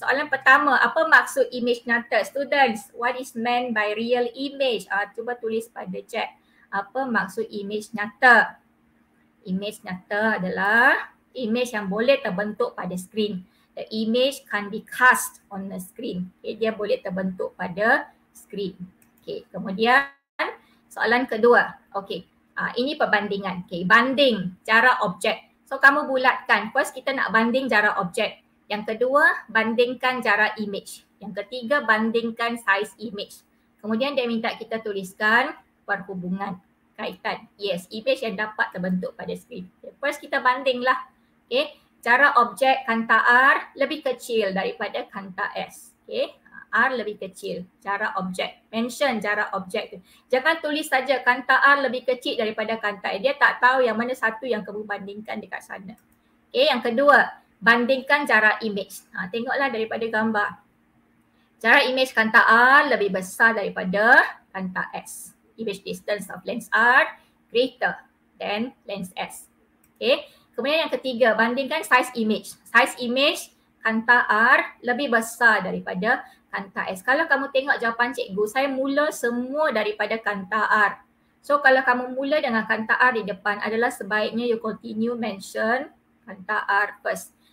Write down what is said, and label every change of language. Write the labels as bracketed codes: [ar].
[ms] Soalan pertama, apa maksud image nyata? [en] Students, what is meant by real image? [ms] Cuba tulis pada chat. Apa maksud image nyata? Image nyata adalah image yang boleh terbentuk pada screen. [en] The image can be cast on the screen. [ms] Okay, dia boleh terbentuk pada screen. Okay, kemudian soalan kedua. Okay, ini perbandingan. Okay, banding jarak objek. So kamu bulatkan. First kita nak banding jarak objek. Yang kedua, bandingkan jarak image. Yang ketiga, bandingkan size image. Kemudian dia minta kita tuliskan perhubungan, kaitan. Yes, image yang dapat terbentuk pada screen. Okay, first kita bandinglah. Okay, jarak objek kanta R lebih kecil daripada kanta S. Okay, R lebih kecil, jarak objek. Mention jarak objek tu. Jangan tulis saja kanta R lebih kecil daripada kanta S. Dia tak tahu yang mana satu yang kamu bandingkan dekat sana. Okay, yang kedua, bandingkan jarak image. Ha, tengoklah daripada gambar. Jarak image kanta R lebih besar daripada kanta S. [en] Image distance of lens R greater than lens S. [ms] Okay, kemudian yang ketiga, bandingkan size image. Size image kanta R lebih besar daripada kanta S. Kalau kamu tengok jawapan cikgu, saya mula semua daripada kanta R. So kalau kamu mula dengan kanta R di depan adalah sebaiknya you continue mention kanta R first.